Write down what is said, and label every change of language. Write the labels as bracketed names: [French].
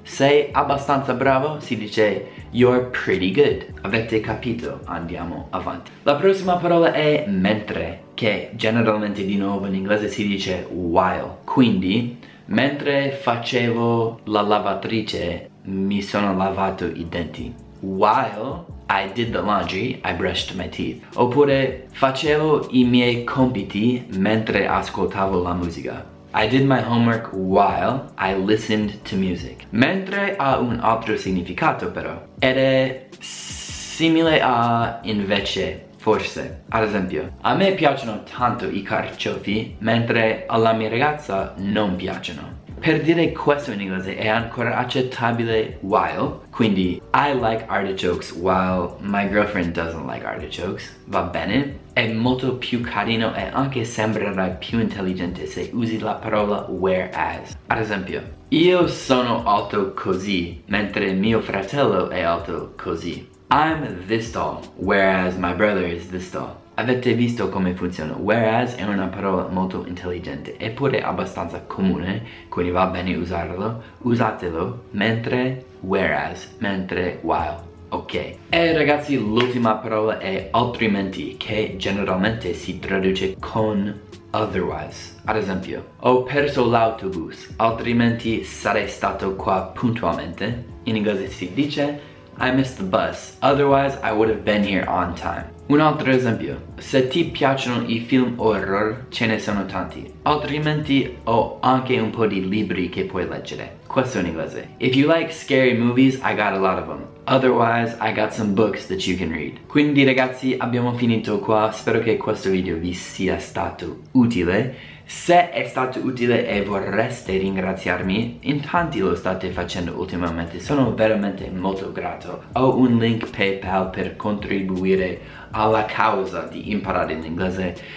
[Italian] Sei abbastanza bravo, si dice [English] you're pretty good. [Italian] Avete capito? Andiamo avanti. La prossima parola è mentre, che generalmente di nuovo in inglese si dice while. Quindi, mentre facevo la lavatrice, mi sono lavato i denti. [English] While I did the laundry, I brushed my teeth. [Italian] Oppure, facevo i miei compiti mentre ascoltavo la musica. [English] I did my homework while I listened to music. [Italian] Mentre ha un altro significato però. Ed è simile a invece, forse. Ad esempio, a me piacciono tanto i carciofi, mentre alla mia ragazza non piacciono. Per per dire questo in inglese è ancora accettabile while, quindi [English] I like artichokes while my girlfriend doesn't like artichokes, [Italian] va bene, è molto più carino e anche sembrerai più intelligente se usi la parola whereas. Ad esempio, io sono alto così, mentre mio fratello è alto così. [English] I'm this tall, whereas my brother is this tall. [Italian] Avete visto come funziona? Whereas è una parola molto intelligente, eppure abbastanza comune, quindi va bene usarlo. Usatelo mentre whereas, mentre while. Ok. E ragazzi, l'ultima parola è altrimenti, che generalmente si traduce con otherwise. Ad esempio, ho perso l'autobus, altrimenti sarei stato qua puntualmente. In inglese si dice [English] I missed the bus, otherwise I would have been here on time. [Italian] Un altro esempio, se ti piacciono i film horror, ce ne sono tanti. Altrimenti ho anche un po' di libri che puoi leggere. Questo in inglese. [English] If you like scary movies, I got a lot of them. Otherwise, I got some books that you can read. [Italian] Quindi ragazzi, abbiamo finito qua. Spero che questo video vi sia stato utile. Se è stato utile e vorreste ringraziarmi, in tanti lo state facendo ultimamente, sono veramente molto grato. Ho un link PayPal per contribuire alla causa di imparare l'inglese.